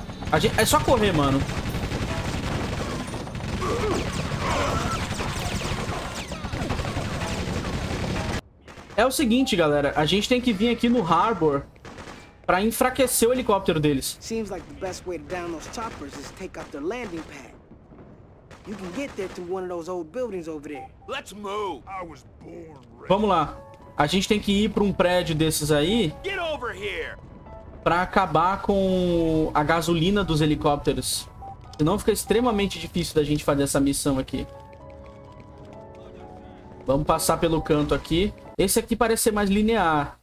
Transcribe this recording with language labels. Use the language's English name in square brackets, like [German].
[Portuguese] A gente... É só correr, mano. É o seguinte, galera, a gente tem que vir aqui no Harbor pra enfraquecer o helicóptero deles. [English] Seems like the best way to down those choppers is to take out their landing pad. You can get there through one of those old buildings over there. Let's move. I was born ready. [Portuguese] Vamos lá. A gente tem que ir pra um prédio desses aí. [English] Get over here. [Portuguese] Pra acabar com a gasolina dos helicópteros. Senão fica extremamente difícil da gente fazer essa missão aqui. Vamos passar pelo canto aqui. Esse aqui parece ser mais linear.